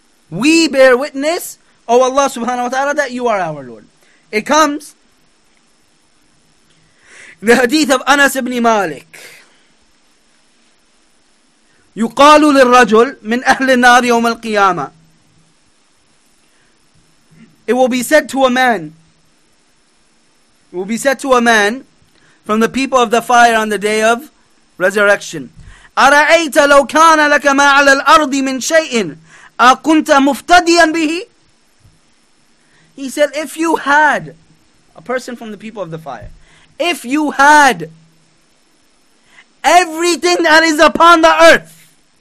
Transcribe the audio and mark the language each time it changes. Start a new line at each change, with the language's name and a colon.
English: We bear witness, O Allah subhanahu wa ta'ala, that you are our Lord. It comes in the hadith of Anas ibn Malik.
Arabic: يقال للرجل من أهل النار يوم القيامة.
English: It will be said to a man. It will be said to a man from the people of the fire on the day of resurrection.
Arabic: أرأيت لو كان لك ما على الأرض من شيء أكنت مفتديا به.
English: He said, if you had, a person from the people of the fire, if you had everything that is upon the earth.